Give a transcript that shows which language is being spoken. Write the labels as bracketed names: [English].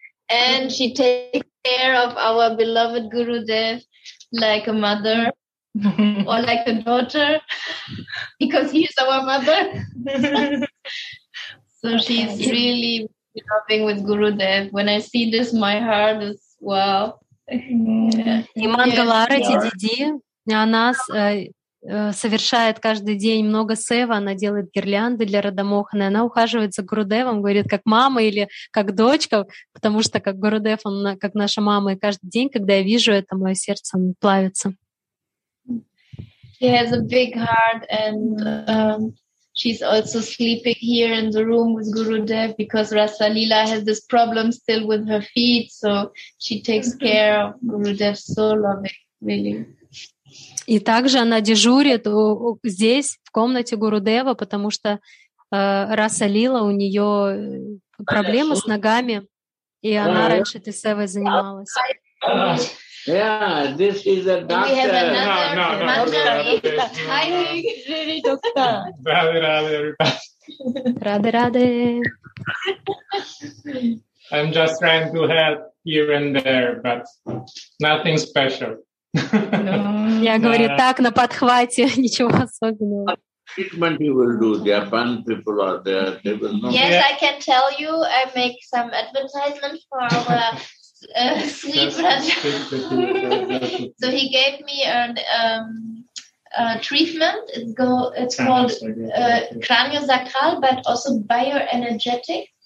[English] And she takes care of our beloved Gurudev like a mother or like a daughter because he is our mother. So she's really loving with Gurudev. When I see this, my heart is wow. Mangal Arati Didi, Anas. [Russian] Совершает каждый день много сева, она делает гирлянды для Радамохана, она ухаживает за Гурудевом, говорит, как мама или как дочка, потому что как Гурудев, он как наша мама, и каждый день, когда я вижу это, мое сердце плавится. [English] She has a big heart and she's also sleeping here in the room with Gurudev because Rasa Lila has this problem still with her feet, so she takes care of Gurudev so loving, really. [Russian] И также она дежурит здесь, в комнате Гурудева, потому что Раса Лила, у нее проблемы с ногами, и она раньше этой севой занималась. [English] Yeah, this is a doctor. We have another Hi, doctor. Radhe, Radhe, everybody. Radhe, Radhe. I'm just trying to help here and there, but nothing special. [Russian] Я говорю, так, на подхвате, ничего особенного. [English] Treatment you will do, there are bunch of people out there, they will know. Yes, I can tell you, I make some advertisements for our sweet brother. So he gave me a treatment, it's called craniosacral, but also bioenergetic.